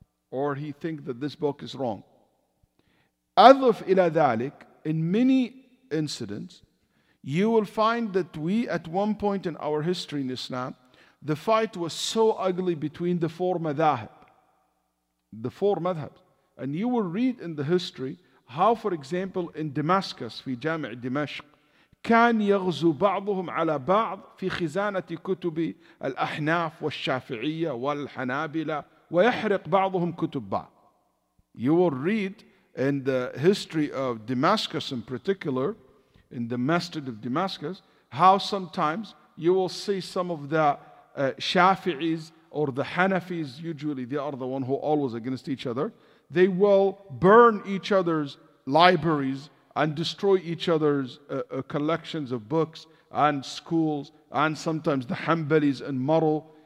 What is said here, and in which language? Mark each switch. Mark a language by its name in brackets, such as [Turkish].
[English] Or he thinks that this book is wrong. [Arabic] أضف إلى ذلك, [English] in many incidents, you will find that we, at one point in our history in Islam, the fight was so ugly between the four madhahib. The four madhabs. And you will read in the history how, for example, in Damascus, [Arabic] في جامع دمشق, كان يغزو بعضهم على بعض في خزانة كتب الأحناف والشافعية والحنابلة ويحرق بعضهم كتب بعض. [English] You will read in the history of Damascus in particular, in the Masjid of Damascus, how sometimes you will see some of the Shafi'is or the Hanafis, usually they are the one who always against each other, they will burn each other's libraries and destroy each other's collections of books and schools, and sometimes the Hanbalis and Maro.